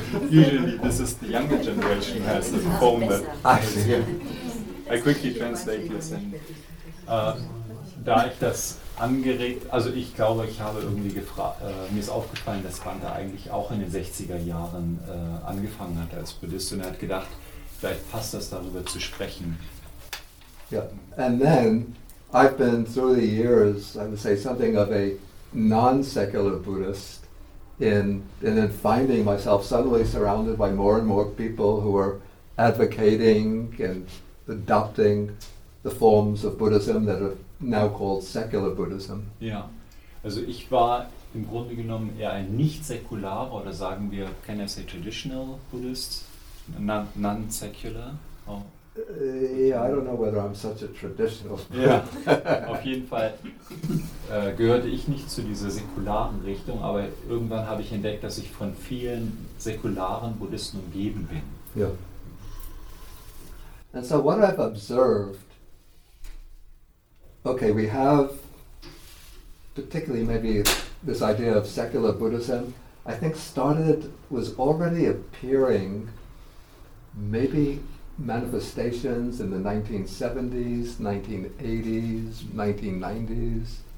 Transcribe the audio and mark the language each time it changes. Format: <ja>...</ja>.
<en>Usually this is the younger generation who has the phone that I see. I quickly translate this.</en> <de>Da ich das angeregt, also ich glaube, ich habe irgendwie gefragt, mir ist aufgefallen, dass Banda eigentlich auch in den 60er Jahren angefangen hat als Buddhist, und er hat gedacht, vielleicht passt das, darüber zu sprechen. Ja, yeah.</de> <en>And then I've been through the years, I would say something of a non-secular Buddhist, and then finding myself suddenly surrounded by more and more people who are advocating and adopting the forms of Buddhism that have now called secular Buddhism.</en> <de>Ja, also ich war im Grunde genommen eher ein nicht-säkularer, oder sagen wir,</de> <en>can I say traditional Buddhist, non-secular? I don't know whether I'm such a traditional Buddhist.</en> <de>Ja, auf jeden Fall gehörte ich nicht zu dieser säkularen Richtung, aber irgendwann habe ich entdeckt, dass ich von vielen säkularen Buddhisten umgeben bin. Ja.</de> <en>And so what I've observed, okay, we have particularly maybe this idea of secular Buddhism, I think was already appearing, maybe manifestations in the 1970s, 1980s, 1990s.</en>